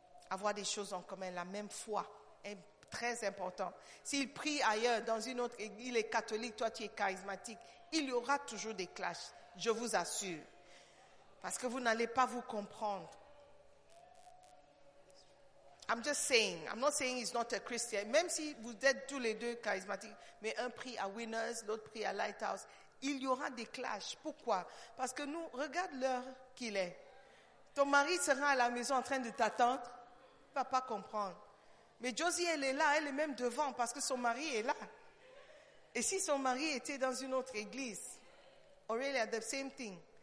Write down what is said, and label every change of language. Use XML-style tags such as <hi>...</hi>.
<fr>Avoir des choses en commun, la même foi est très important. S'il prie ailleurs, dans une autre église, il est catholique, toi, tu es charismatique, il y aura toujours des clashs, je vous assure. Parce que vous n'allez pas vous comprendre.</fr> <en>I'm just saying, I'm not saying he's not a Christian.</en> <fr>Même si vous êtes tous les deux charismatiques, mais un prie à Winners, l'autre prie à Lighthouse, il y aura des clashs. Pourquoi? Parce que nous, regarde l'heure qu'il est. Ton mari sera à la maison en train de t'attendre, il ne va pas comprendre. Mais Josie, elle est là, elle est même devant parce que son mari est là. Et si son mari était dans une autre église, Aurélia,</fr> <en>the same thing.</en>